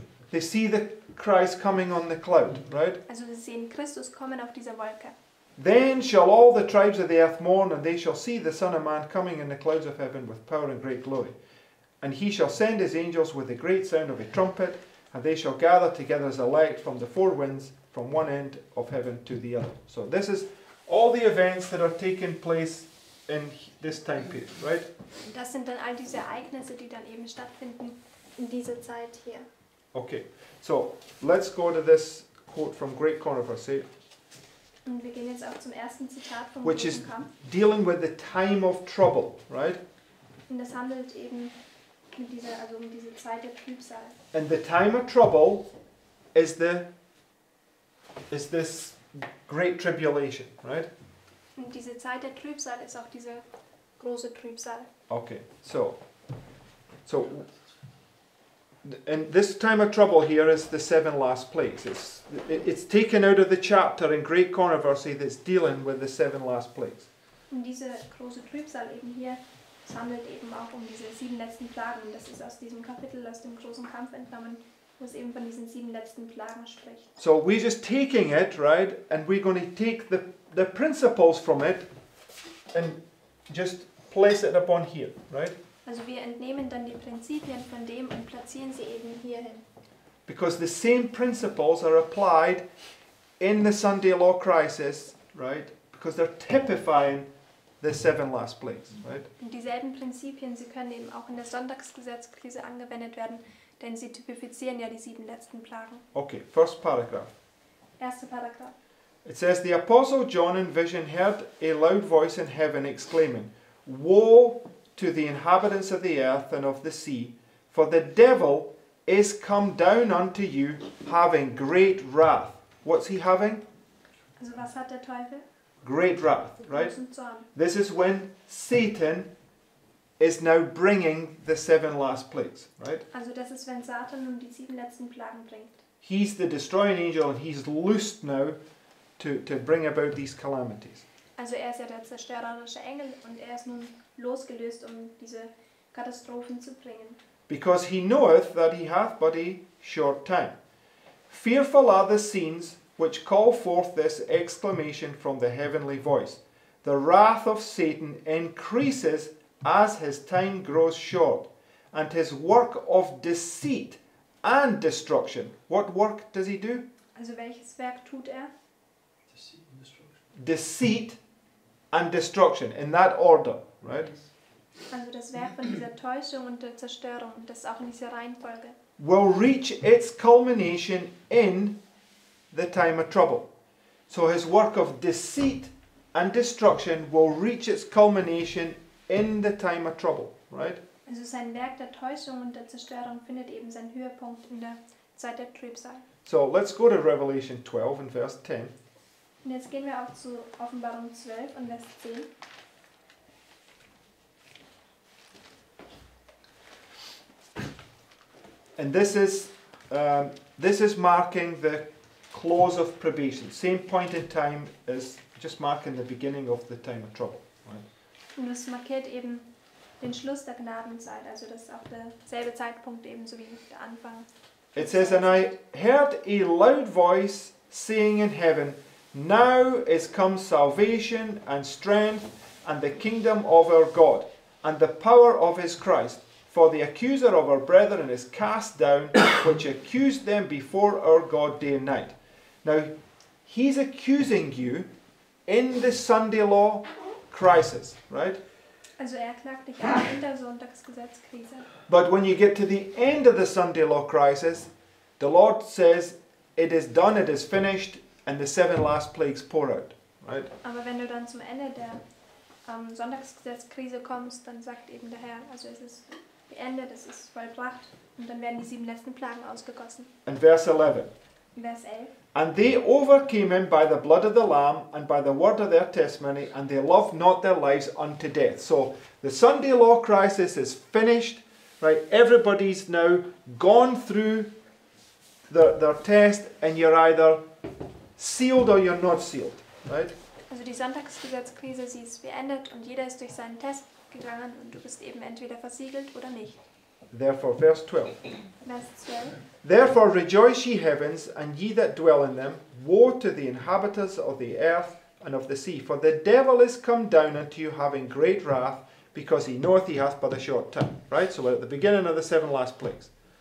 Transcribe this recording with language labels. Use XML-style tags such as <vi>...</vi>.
<en>They see the Christ coming on the cloud, right?</en> <de>Also sie sehen Christus kommen auf dieser Wolke.</de> <en>Then shall all the tribes of the earth mourn, and they shall see the Son of Man coming in the clouds of heaven with power and great glory. And he shall send his angels with the great sound of a trumpet, and they shall gather together as elect from the four winds, from one end of heaven to the other. So this is all the events that are taking place in this time period, right?</en> <de>Das sind dann all diese Ereignisse, die dann eben stattfinden in dieser Zeit hier.</de> <en>Okay, so let's go to this quote from Great Controversy.</en> <de>Und wir gehen jetzt auch zum ersten Zitat vom</de> <en>Which is Kampf. Dealing with the time of trouble, right?</en> <de>Und das handelt eben mit dieser, also um diese Zeit der Trübsal.</de> <en>And the time of trouble is the is this great tribulation, right?</en> <de>Und diese Zeit der Trübsal ist auch diese große Trübsal.</de> <en>Okay, so. And this time of trouble here is the seven last plagues. It's taken out of the chapter in Great Controversy that's dealing with the seven last plagues.</en> <de>Und diese große Trübsal eben hier, es handelt eben auch um diese sieben letzten Plagen. Das ist aus diesem Kapitel, aus dem großen Kampf entnommen, wo es eben von diesen sieben letzten Plagen spricht.</de> <en>So we're just taking it, right? And we're going to take the principles from it and just place it upon here, right?</en> <de>Also wir entnehmen dann die Prinzipien von dem und platzieren sie eben hierhin.</de> <en>Because the same principles are applied in the Sunday law crisis, right? Because they're typifying the seven last plagues, right?</en> <de>Und dieselben Prinzipien, sie können eben auch in der Sonntagsgesetzkrise angewendet werden, denn sie typifizieren ja die sieben letzten Plagen.</de> <en>Okay, first paragraph.</en> <de>Erster Paragraph.</de> <en>It says, the Apostle John in vision heard a loud voice in heaven exclaiming, woe to the inhabitants of the earth and of the sea, for the devil is come down unto you, having great wrath. What's he having?</en> <de>Also was hat der Teufel?</de> <en>Great wrath, right? This is when Satan is now bringing the seven last plagues, right?</en> <de>Also das ist, wenn Satan nun die sieben letzten Plagen bringt.</de> <en>He's the destroying angel and he's loosed now to bring about these calamities.</en> <de>Also er ist ja der zerstörerische Engel und er ist nun losgelöst, um diese Katastrophen zu bringen.</de> <en>Because he knoweth that he hath but a short time. Fearful are the scenes which call forth this exclamation from the heavenly voice. The wrath of Satan increases as his time grows short, and his work of deceit and destruction. What work does he do?</en> <de>Also welches Werk tut er?</de> <en>Deceit and destruction, in that order, right?</en> <de>Also das Werk von dieser Täuschung und der Zerstörung, das auch in dieser Reihenfolge.</de> <en>Will reach its culmination in the time of trouble. So his work of deceit and destruction will reach its culmination in the time of trouble, right?</en> <de>Also sein Werk der Täuschung und der Zerstörung findet eben seinen Höhepunkt in der Zeit der Trübsal.</de> <en>So let's go to Revelation 12 and verse 10.</en> <de>Und jetzt gehen wir auch zu Offenbarung 12 und Vers 10.</de> <en>And this is marking the close of probation. Same point in time as just marking the beginning of the time of trouble. Right?</en> <de>Und das markiert eben den Schluss der Gnadenzeit, also das ist auch derselbe Zeitpunkt eben so wie der Anfang.</de> <en>It says, and I heard a loud voice saying in heaven, now is come salvation and strength and the kingdom of our God and the power of his Christ. For the accuser of our brethren is cast down, which accused them before our God day and night. Now, he's accusing you in the Sunday law crisis, right?</en> <de>Also klagt dich an in der Sonntagsgesetzkrise.</de> <en>But when you get to the end of the Sunday law crisis, the Lord says, it is done, it is finished, and the seven last plagues pour out, right?</en> <de>Aber wenn du dann zum Ende der Sonntagsgesetzkrise kommst, dann sagt eben der Herr, also es ist beendet, es ist vollbracht, und dann werden die sieben letzten Plagen ausgegossen.</de> <en>And verse 11.</en> <de>Vers 11.</de> <en>And they overcame him by the blood of the Lamb and by the word of their testimony, and they loved not their lives unto death. So the Sunday law crisis is finished, right? Everybody's now gone through their test, and you're either sealed or you're not sealed, right?</en> <de>Also die Sonntagsgesetzkrise, sie ist beendet und jeder ist durch seinen Test gegangen und du bist eben entweder versiegelt oder nicht.</de> <en>Therefore, verse 12.</en> <de>Vers 12.</de> <en>Therefore rejoice ye heavens and ye that dwell in them. Woe to the inhabitants of the earth and of the sea. For the devil is come down unto you having great wrath, because he knoweth he hath but a short time. Right? So we're at the beginning of the seven last plagues.</en>